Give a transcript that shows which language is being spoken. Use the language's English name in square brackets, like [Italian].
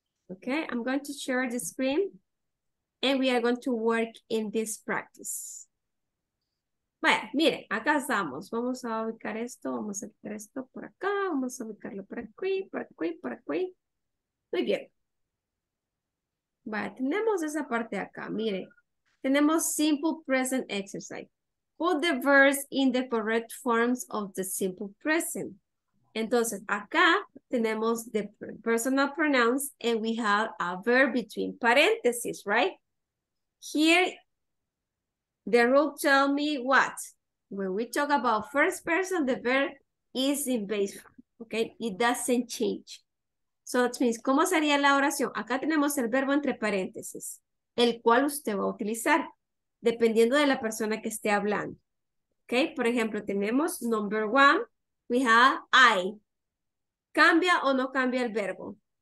[English] Okay, I'm going to share the screen and we are going to work in this practice. [Spanish] Vaya, miren, acá estamos. Vamos a ubicar esto, vamos a quitar esto por acá, vamos a ubicarlo por aquí, por aquí, por aquí. Muy bien. Vaya, tenemos esa parte acá, miren. Tenemos [English] simple present exercise. Put the verbs in the correct forms of the simple present. [Spanish] Entonces, acá tenemos [English] the personal pronouns and we have a verb between parentheses, right? Here, the rule tell me what? When we talk about first person, the verb is in base form, okay? It doesn't change. So that means, [Spanish] ¿cómo sería la oración? Acá tenemos el verbo entre paréntesis, el cual usted va a utilizar. Dependiendo de la persona que esté hablando. ¿Ok? Por ejemplo, tenemos [English] number one. We have I. [Spanish] ¿Cambia o no cambia el verbo?